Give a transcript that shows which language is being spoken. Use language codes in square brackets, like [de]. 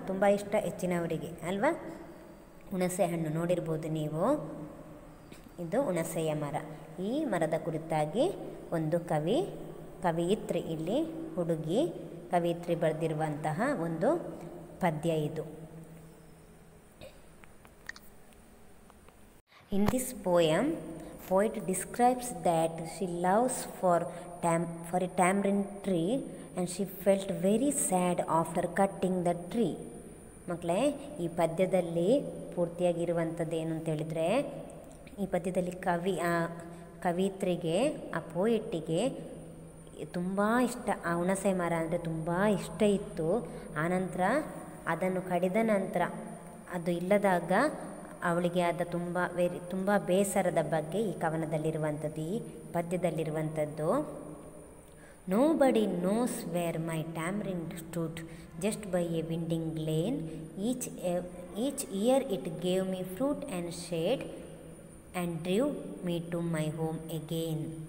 [kn] ತುಂಬ ಇಷ್ಟ ಹೆಚ್ಚಿನವರಿಗೆ ಅಲ್ವಾ. ಹುಣಸೆ ಹಣ್ಣು ನೋಡಿರ್ಬೋದು ನೀವು, ಇದು ಹುಣಸೆಯ ಮರ. ಈ ಮರದ ಕುರಿತಾಗಿ ಒಂದು ಕವಿಯಿತ್ರಿ, ಇಲ್ಲಿ ಹುಡುಗಿ ಕವಿಯಿತ್ರಿ ಬರೆದಿರುವಂತಹ ಒಂದು ಪದ್ಯ ಇದು. [en] In this poem poet describes that she loves for a tamarind tree and she felt very sad after cutting the tree. [kn] ಮಕ್ಕಳೆ, ಈ ಪದ್ಯದಲ್ಲಿ ಪೂರ್ತಿಯಾಗಿರುವಂಥದ್ದು ಏನು ಅಂತೇಳಿದರೆ, ಈ ಪದ್ಯದಲ್ಲಿ ಕವಿತ್ರಿಗೆ, ಆ ಪೋಯೆಟ್ಟಿಗೆ ತುಂಬ ಇಷ್ಟ, ಆ ಹುಣಸೆ ಮರ ಅಂದರೆ ತುಂಬ ಇಷ್ಟ ಇತ್ತು. ಆನಂತರ ಅದನ್ನು ಕಡಿದ ನಂತರ ಅದು ಇಲ್ಲದಾಗ ಅವಳಿಗೆ ಆದ ತುಂಬ ಬೇಸರದ ಬಗ್ಗೆ ಈ ಕವನದಲ್ಲಿರುವಂಥದ್ದು, ಈ ಪದ್ಯದಲ್ಲಿರುವಂಥದ್ದು. [en] Nobody knows where my tamarind stood just by a winding lane. Each year it gave me fruit and shade and drew me to my home again.